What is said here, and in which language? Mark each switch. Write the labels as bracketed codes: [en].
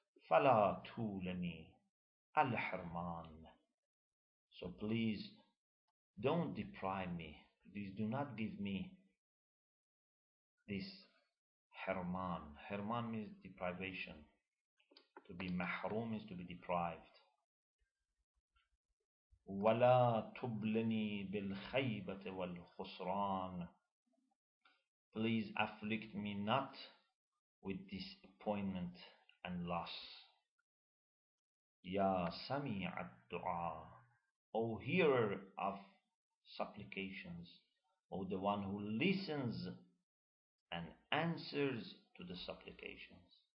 [ar] فَلَا تُولَنِي الْحِرْمَانِ. [en] So please don't deprive me. Please do not give me this حرمان. حرمان means deprivation. To be mahrum is to be deprived. [ar] ولا تبلني بالخيبة والخسران. [en] Please afflict me not with disappointment and loss. [ar] يا سميع الدعاء. [en] O hearer of supplications. O the one who listens and answers to the supplications.